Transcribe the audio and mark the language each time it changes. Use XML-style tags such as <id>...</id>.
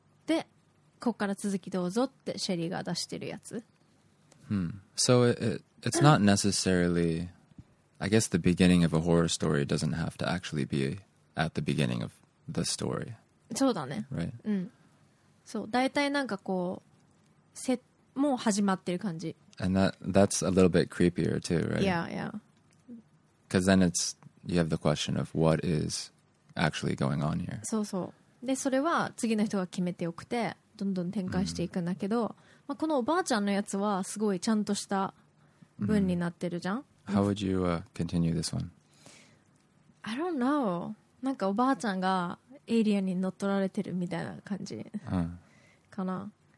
<ja>で、こっから続きどうぞってシェリーが出してるやつ。</ja> <en>So it's not necessarily, I guess the beginning of a horror story doesn't have to actually be at the beginning of. The story.</en> <ja>そうだね。</ja> <en>Right. うん。</en> <ja>そう、だいたいなんかこう、もう始まってる感じ。</ja> <en>And that's a little bit creepier too, right? Yeah, yeah. Because then you have the question of what is actually going on here.</en> <ja>そうそう。で、それは次の人が決めておくて、どんどん展開していくんだけど、まあ、このおばあちゃんのやつはすごいちゃんとした文になってるじゃん。</ja> <en>How would you continue this one? I don't know.</en> <ja>なんかおばあちゃんがエイリアンに乗っ取られてるみたいな感じかな。</ja>